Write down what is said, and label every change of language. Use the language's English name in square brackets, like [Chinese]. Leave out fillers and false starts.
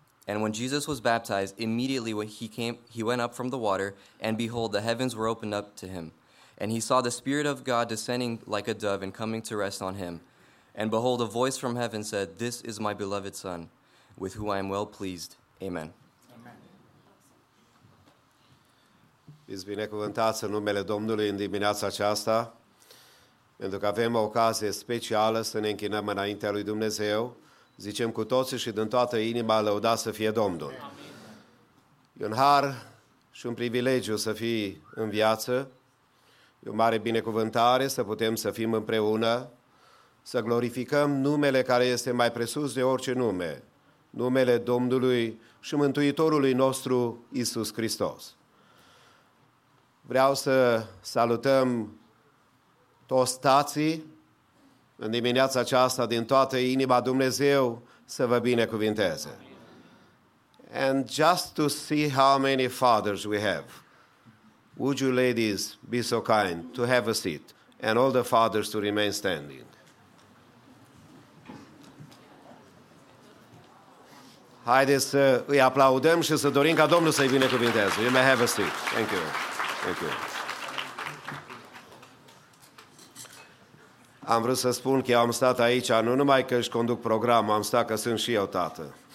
[English] And when Jesus was baptized, immediately when he came, he went up from the water, and behold, the heavens were opened up to him. And he saw the Spirit of God descending like a dove and coming to rest on him. And behold, a voice from heaven said, This is my beloved Son, with whom I am well pleased. Amen. [Romanian] Fiți binecuvântați în numele Domnului în dimineața aceasta, pentru că avem o ocazie specială să ne închinăm înaintea lui Dumnezeu. Zicem cu toții și din toată inima, lăudat să fie Domnul. Amin. E un har și un privilegiu să fii în viață, e o mare binecuvântare să putem să fim împreună, să glorificăm numele care este mai presus de orice nume, numele Domnului și Mântuitorului nostru, Iisus Hristos. Vreau să salutăm toți tații în dimineața aceasta din toată inima, Dumnezeu să vă binecuvinteze. [English] And just to see how many fathers we have, would you ladies be so kind to have a seat and all the fathers to remain standing. [Romanian] Haideți să îi aplaudăm și să dorim ca Domnul să-i binecuvinteze. [English] You may have a seat. Thank you. [Romanian] Thank you. Am vrut să spun că eu am stat aici, nu numai că își conduc programul, am stat că sunt și eu tată.